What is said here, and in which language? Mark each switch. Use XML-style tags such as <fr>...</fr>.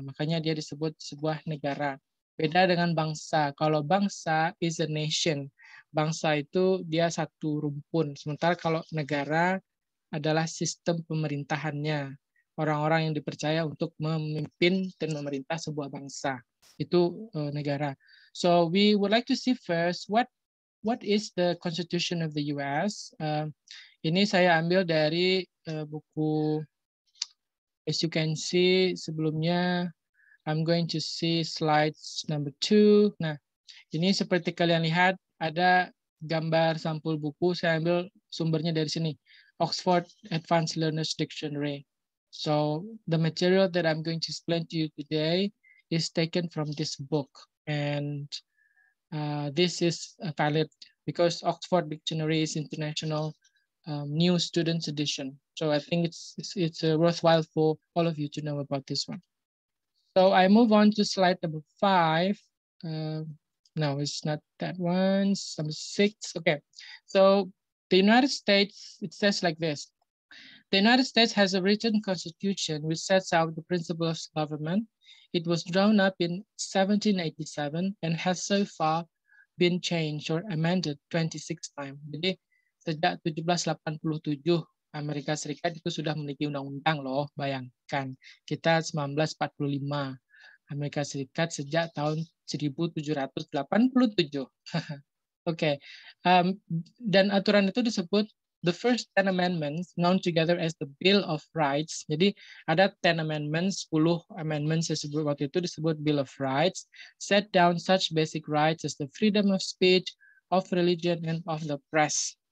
<id>Makanya dia disebut sebuah negara. Beda dengan bangsa. Kalau bangsa</id> <en>is a nation,</en> <id>bangsa itu dia satu rumpun. Sementara kalau negara adalah sistem pemerintahannya, orang-orang yang dipercaya untuk memimpin dan memerintah sebuah bangsa, itu negara.</id> <en>So we would like to see first what is the Constitution of the US.</en> <id>Ini saya ambil dari buku.</id> <en>As you can see</en> <id>sebelumnya,</id> <en>I'm going to see slides number 2.</en> <id>Nah, ini seperti kalian lihat ada gambar sampul buku. Saya ambil sumbernya dari sini, Oxford Advanced Learner's Dictionary.</id> <en>So the material that I'm going to explain to you today is taken from this book, and this is valid because Oxford Dictionary is international new students edition. So I think it's worthwhile for all of you to know about this one. So I move on to slide number 5. No, it's not that one. Number 6. Okay. So the United States, it says like this. The United States has a written constitution which sets out the principles of government. It was drawn up in 1787 and has so far been changed or amended 26 times.</en> <id>Jadi sejak 1787 Amerika Serikat itu sudah memiliki undang-undang loh, bayangkan. Kita 1945 Amerika Serikat sejak tahun 1787. Oke. Okay. Dan aturan itu disebut</id> <en>the first 10 amendments known together as the Bill of Rights.</en> <id>Jadi ada 10 amendments, 10 amendments disebut waktu itu disebut</id> <en>Bill of Rights, set down such basic rights as the freedom of speech, of religion, and of the press.</en>